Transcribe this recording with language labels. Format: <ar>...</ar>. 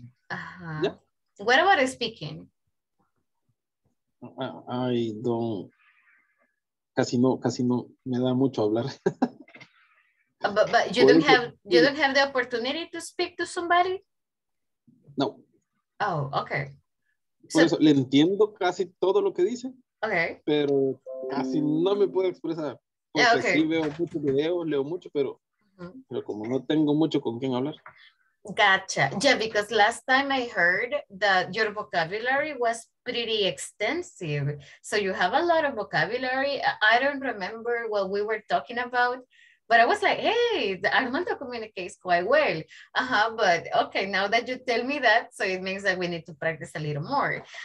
<en>Uh-huh. Yeah. What about speaking? I don't.</en> <es>Casi no. Me da mucho hablar.</es> <en>But you don't have the opportunity to speak to somebody. No. Oh, okay.</en> <es>Por eso, le entiendo casi todo lo que dice.</es> <en>Okay.</en> <es>Pero casi no me puedo expresar.</es> <en>Porque yeah, okay.</en> <es>Sí veo muchos videos, leo mucho, pero pero como no tengo mucho con quién hablar.</es> <en>Gotcha. Yeah, because last time I heard that your vocabulary was pretty extensive. So you have a lot of vocabulary. I don't remember what we were talking about, but I was like, hey, Armando communicates quite well. Uh-huh, but okay, now that you tell me that, so it means that we need to practice a little more.</en>